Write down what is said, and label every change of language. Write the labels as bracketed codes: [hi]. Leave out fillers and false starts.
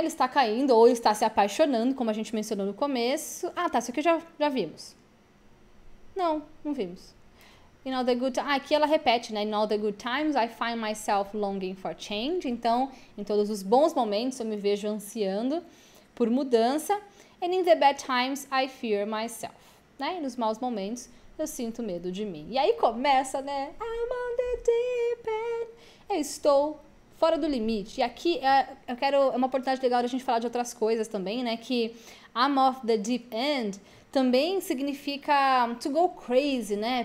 [pt] Ele está caindo ou está se apaixonando, como a gente mencionou no começo. Ah, tá. Isso aqui já vimos. Não vimos. [en] In all the good times. [pt] Ah, aqui ela repete, né? [en] In all the good times, I find myself longing for change. [pt] Então, em todos os bons momentos, eu me vejo ansiando por mudança. [en] And in the bad times, I fear myself. [pt] Né? E nos maus momentos, eu sinto medo de mim. E aí começa, né? [en] I'm on the deep end. [pt] Eu estou fora do limite. E aqui eu quero. É uma oportunidade legal de a gente falar de outras coisas também, né? Que [en] I'm off the deep end [pt] também significa [en] to go crazy, [pt] né?